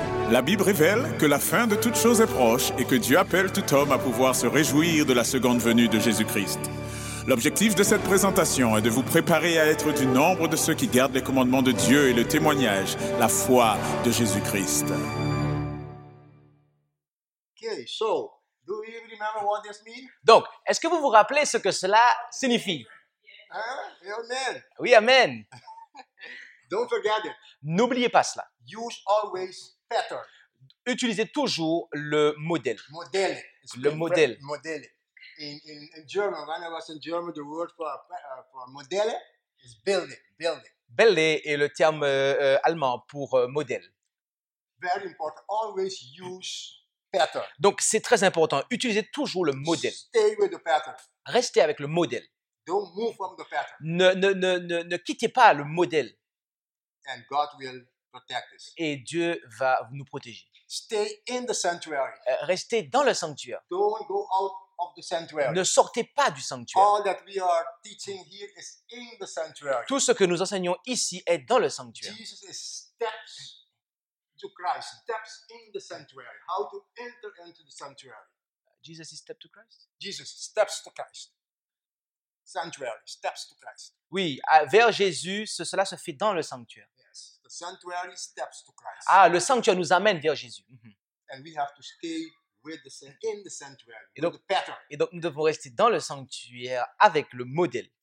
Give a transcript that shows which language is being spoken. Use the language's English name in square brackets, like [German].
[French] La Bible révèle que la fin de toutes choses est proche et que Dieu appelle tout homme à pouvoir se réjouir de la seconde venue de Jésus-Christ. L'objectif de cette présentation est de vous préparer à être du nombre de ceux qui gardent les commandements de Dieu et le témoignage, la foi de Jésus-Christ. [English] Okay, so, do you remember what this means? [French] Donc, est-ce que vous vous rappelez ce que cela signifie? [English] Yes. Huh? Amen. [French] Oui, amen. [English] Don't forget it. [French] N'oubliez pas cela. [English] Use always pattern. [French] Utilisez toujours le modèle. Modèle. Le modèle. Modèle. [English] In German, when I was in German, the word for modèle is building. Building. [French] Belle est le terme allemand pour modèle. [English] Very important. Always use pattern. [French] Donc c'est très important. Utilisez toujours le modèle. [English] Stay with the pattern. [French] Restez avec le modèle. [English] Don't move from the pattern. [French] Ne quittez pas le modèle. [English] And God will protect us. [French] Et Dieu va nous protéger. [English] Stay in the sanctuary. [French] Restez dans le sanctuaire. [English] Don't go out of the sanctuary. [French] Ne sortez pas du sanctuaire. [English] All that we are teaching here is in the sanctuary. [French] Tout ce que nous enseignons ici est dans le sanctuaire. [English] Jesus is steps to Christ, steps in the sanctuary. How to enter into the sanctuary? Jesus is step to Christ. Jesus steps to Christ. Sanctuary, steps to Christ. [French] Oui, vers Jésus, cela se fait dans le sanctuaire. [English] Yes, the sanctuary steps to Christ. [French] Ah, le sanctuaire nous amène vers Jésus. Mm-hmm. [English] And we have to stay with the in the sanctuary. [French] Et donc, [English] with the pattern. [French] Et donc, nous devons rester dans le sanctuaire avec le modèle.